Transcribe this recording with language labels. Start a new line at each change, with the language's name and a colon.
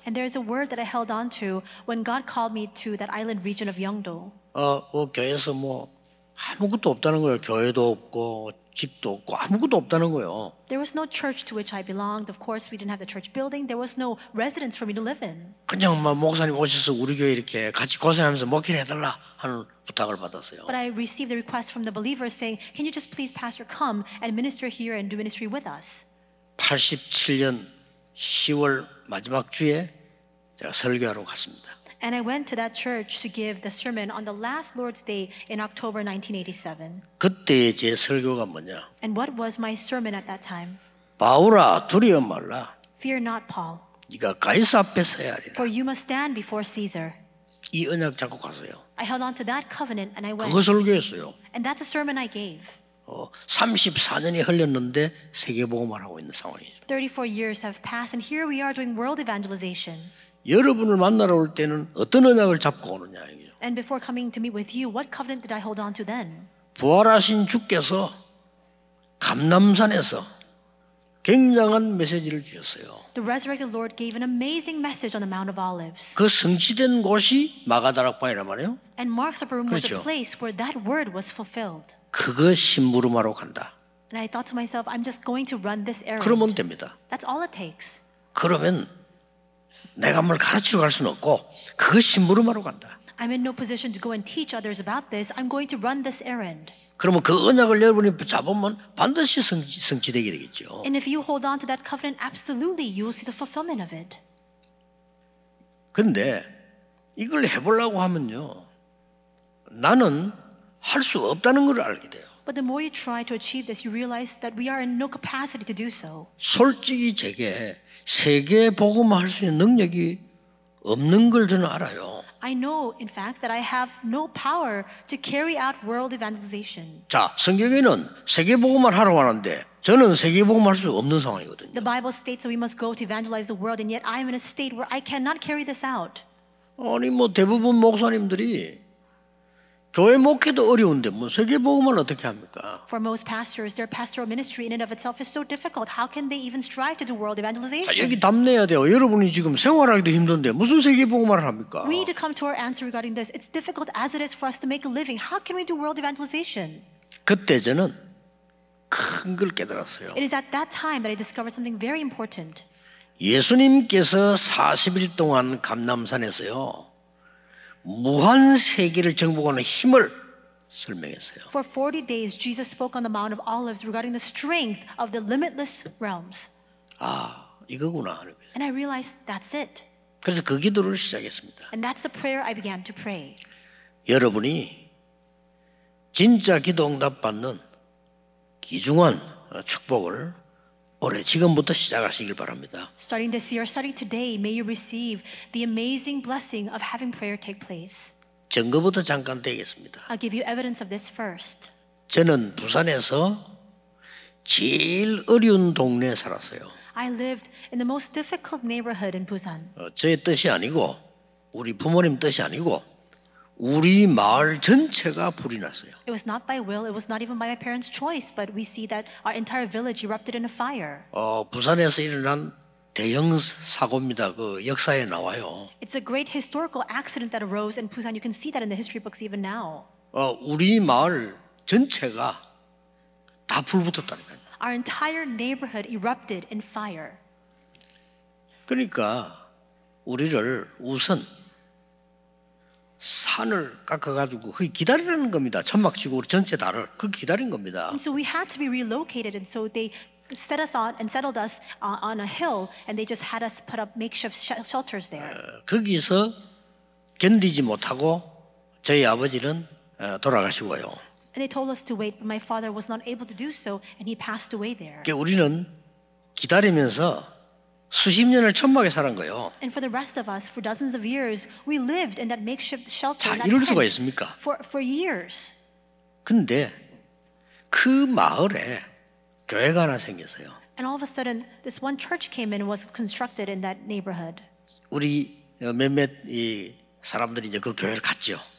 English: And there is a word that I held on to when God called me to that island region of Yeongdo.
Korean: 교회에서 뭐 아무것도 없다는 거예요. 교회도 없고 집도 없고 아무것도 없다는 거예요.
English: There was no church to which I belonged. Of course, we didn't have the church building. There was no residence for me to live in.
Korean: 그냥 막 목사님 오셔서 우리 교회 이렇게 같이 고생하면서 먹기를 해달라 하는 부탁을 받았어요.
English: But I received the request from the believers saying, "Can you just please, Pastor, come and minister here and do ministry with us?"
Korean: 87년 10월 마지막 주에 제가 설교하러 갔습니다.
English: And I went to that church to give the sermon on the last Lord's Day in October 1987.
Korean: 그때의 제 설교가 뭐냐?
English: And what was my sermon at that time?
Korean: 바울아, 두려워 말라.
English: Fear not, Paul.
Korean: 네가 가이사 앞에 서야 하리라.
English: For you must stand before Caesar.
Korean: 이 언약 잡고 갔어요.
English: I held on to that covenant and I went.
Korean: 그거 설교했어요.
English: And that's a sermon I gave.
Korean: 34년이 흘렀는데 세계복음을 하고 있는 상황이죠.
English: 34 years have passed and here we are doing world evangelization.
Korean: 여러분을 만나러 올 때는 어떤 언약을 잡고 오느냐 이거죠.
English: And before coming to meet with you, what covenant did I hold on to then?
Korean: 부활하신 주께서 감람산에서 굉장한 메시지를 주셨어요.
English: The resurrected Lord gave an amazing message on the Mount of Olives.
Korean: 그 성취된 곳이 마가다락방이란 말이에요.
English: And Mark's upper room
Korean: 그렇죠.
English: was the place where that word was fulfilled.
Korean: 그거 심부름하러 간다.
English: And I thought to myself, I'm just going to run this errand.
Korean: 그러면 됩니다.
English: That's all it takes.
Korean: 그러면 내가 뭘 가르치러 갈 수는 없고 그거 심부름하러 간다.
English: I'm in no position to go and teach others about this. I'm going to run this errand.
Korean: 그러면 그 언약을 여러분이 잡으면 반드시 성취되게 되겠죠.
English: And if you hold on to that covenant, absolutely you will see the fulfillment of it.
Korean: 근데 이걸 해보려고 하면요, 나는 할 수 없다는 걸 알게 돼요.
English: But the more you try to achieve this, you realize that we are in no capacity to do so.
Korean: 솔직히 제게 세계 복음 할 수 있는 능력이 없는 걸 저는 알아요.
English: I know, in fact, that I have no power to carry out world evangelization.
Korean: 자, 성경에는 세계복음을 하러 가는데 저는 세계복음할 수 없는 상황이거든요.
English: The Bible states that we must go to evangelize the world, and yet I am in a state where I cannot carry this out.
Korean: 아니 뭐 대부분 목사님들이 교회 목회도 어려운데 뭐 세계복음을 어떻게 합니까?
English: For most pastors, their pastoral ministry in and of itself is so difficult. How can they even strive to do world evangelization?
Korean: 자, 여기 담내야 돼요. 여러분이 지금 생활하기도 힘든데 무슨 세계복음을 합니까?
English: We need to come to our answer regarding this. It's difficult as it is for us to make a living. How can we do world evangelization?
Korean: 그때 저는 큰 걸 깨달았어요.
English: It is at that time that I discovered something very important.
Korean: 예수님께서 40일 동안 감람산에서요 무한 세계를 정복하는 힘을 설명했어요.
English: For 40 days, Jesus spoke on the Mount of Olives regarding the strength of the limitless realms.
Korean: 아, 이거구나.
English: And I realized that's it.
Korean: 그래서 그 기도를 시작했습니다.
English: And that's the prayer I began to pray.
Korean: 여러분이 진짜 기도 응답 받는 귀중한 축복을 올해 지금부터 시작하시길 바랍니다.
English: Starting this year, starting today, may you receive the amazing blessing of having prayer take place.
Korean: 증거부터 잠깐 되겠습니다.
English: I'll give you evidence of this first.
Korean: 저는 부산에서 제일 어려운 동네에 살았어요.
English: I lived in the most difficult neighborhood in Busan.
Korean: 저의 뜻이 아니고 우리 부모님 뜻이 아니고 우리 마을 전체가 불이 났어요.
English: It was not by will. It was not even by my parents' choice. But we see that our entire village erupted in a fire.
Korean: 부산에서 일어난 대형 사고입니다. 그 역사에 나와요.
English: It's a great historical accident that arose in Busan. You can see that in the history books even now.
Korean: 우리 마을 전체가 다 불붙었다니까요.
English: Our entire neighborhood erupted in fire.
Korean: 그러니까 우리를 우선 산을 깎아가지고 거기 기다리라는 겁니다. 천막 치고 우리 전체 다를 그 기다린 겁니다.
English: And so we had to be relocated, and so they set us on and settled us on a hill, and they just had us put up makeshift shelters there.
Korean: 거기서 견디지 못하고 저희 아버지는 돌아가시고요.
English: And they told us to wait, but my father was not able to do so, and he passed away there.
Korean: 그러니까 우리는 기다리면서 수십 년을 천막에 살은 거예요.
English: And for the rest of us, for dozens of years, we lived in that makeshift shelter.
Korean: 자, 이럴 수가 있습니까?
English: For years.
Korean: 근데 그 마을에 교회가 하나 생겼어요.
English: And all of a sudden, this one church came in and was constructed in that neighborhood.
Korean: 우리 몇몇 이 사람들이 이제 그 교회를 갔죠.